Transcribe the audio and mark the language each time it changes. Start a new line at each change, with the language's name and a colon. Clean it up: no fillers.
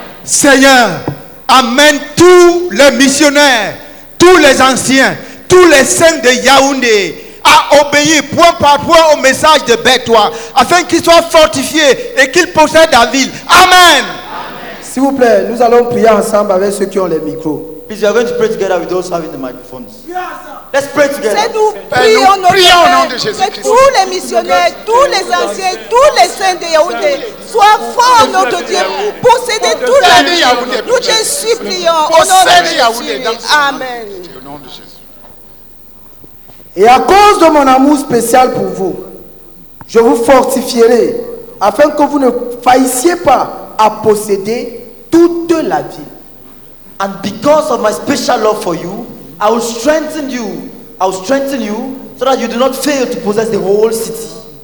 French: Seigneur, amène tous les missionnaires, tous les anciens, tous les saints de Yaoundé à obéir point par point au message de Bétois, afin qu'ils soient fortifiés et qu'ils possèdent la ville. Amen. Amen. S'il vous plaît, nous allons prier ensemble avec ceux qui ont les micros.
English: Please, we are going to pray together with those having the microphones. Let's pray together.
French: Seigneur, nous prions notre Père que tous les missionnaires, tous les anciens, tous les saints de Yaoundé soient forts, notre Dieu, pour posséder toute la vie. Nous te supplions au nom de Jésus. Amen. Au nom de Jésus. Et à cause de mon amour spécial pour vous, je vous fortifierai afin que vous ne faillissiez pas à posséder toute la vie.
English: And because of my special love for you, I will strengthen you. I will strengthen you so that you do not fail to possess the whole city.